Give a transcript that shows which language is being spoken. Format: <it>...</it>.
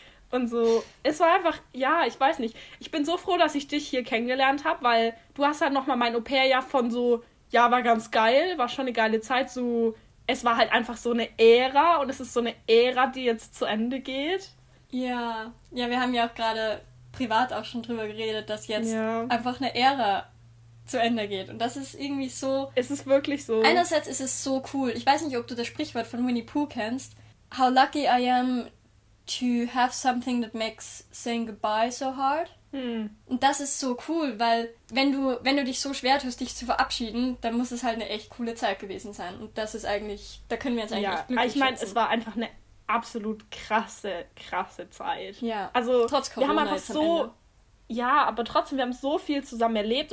<de>Und so, es war einfach, ja, ich weiß nicht. Ich bin so froh, dass ich dich hier kennengelernt habe, weil du hast halt nochmal mein Au-pair-Jahr von so, ja, war ganz geil, war schon eine geile Zeit, so, es war halt einfach so eine Ära und es ist so eine Ära, die jetzt zu Ende geht. Ja, ja, wir haben ja auch gerade privat auch schon drüber geredet, dass jetzt ja. einfach eine Ära zu Ende geht. Und das ist irgendwie so... Es ist wirklich so. Einerseits ist es so cool. Ich weiß nicht, ob du das Sprichwort von Winnie Pooh kennst.</de> <en>How lucky I am... to have something that makes saying goodbye so hard. Hm.</en> <de>Und das ist so cool, weil wenn du dich so schwer tust, dich zu verabschieden, dann muss es halt eine echt coole Zeit gewesen sein. Und das ist eigentlich, da können wir uns eigentlich ja. echt glücklich ich meine, es war einfach eine absolut krasse, krasse Zeit. Ja, also, trotz Corona wir haben einfach so, ja, aber trotzdem, wir haben so viel zusammen erlebt.</de>